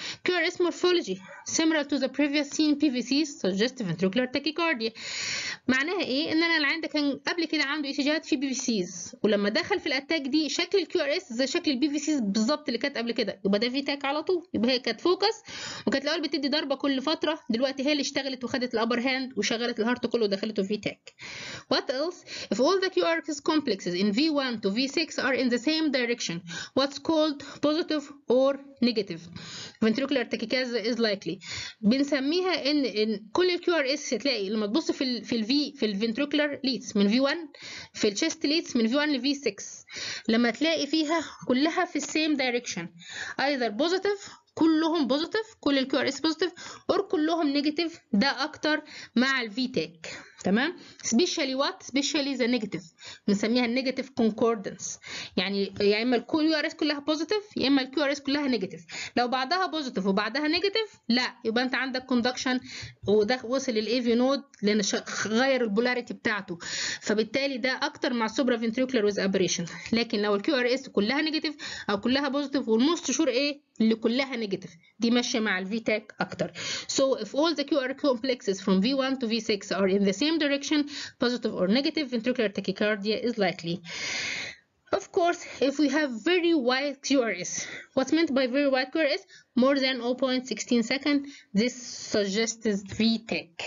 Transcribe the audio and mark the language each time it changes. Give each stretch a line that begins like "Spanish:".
English: QRS morphology similar to the previous seen PVCs suggested ventricular tachycardia.
Arabic: معناها ايه؟ ان انا العيان ده كان قبل كده عنده ECGات في PVCs, ولما دخل في الاتاك دي شكل QRS زي شكل PVCs بالظبط اللي كانت قبل كده, يبقى ده VTAC على طول. يبقى هي كانت فوكس وكانت الاول بتدي ضربه كل فتره, دلوقتي هي اللي اشتغلت وخدت الابر هاند وشغلت الهارت كله ودخلته في VTAC.
English: What else if all the QRS complexes in V1 to V6 are in the same direction, what's called positive or negative ventricular tachycardia is likely.
Arabic: بنسميها ان كل ال QRS هتلاقي لما تبص في ال V في ال ventricular leads من V1 في ال chest leads من V1 ل V6 لما تلاقي فيها كلها في
English: same direction either positive,
Arabic: كلهم positive, كل ال QRS positive or كلهم negative, ده اكتر مع ال VTAC. تمام؟
English: Specially what? Specially the negative
Arabic: بنسميها النيجاتيف كونكوردنس. يعني يا اما الكيو ار اس كلها بوزيتيف يا اما الكيو ار اس كلها نيجاتيف. لو بعضها بوزيتيف وبعضها نيجاتيف لا, يبقى انت عندك كوندكشن وده وصل للاي في نود لان غير البولاريتي بتاعته. فبالتالي ده اكتر مع سوبرا فينتريكولار ويز ابريشن. لكن لو الكيو ار اس كلها نيجاتيف او كلها بوزيتيف والموست شور ايه؟ اللي كلها نيجاتيف, دي ماشيه مع الفي تاك اكتر.
English: So if all the QR complexes from V1 to V6 are in the same direction, positive or negative, ventricular tachycardia is likely. Of course, if we have very wide QRS, what's meant by very wide QRS? More than 0.16 seconds, this suggests VTEC.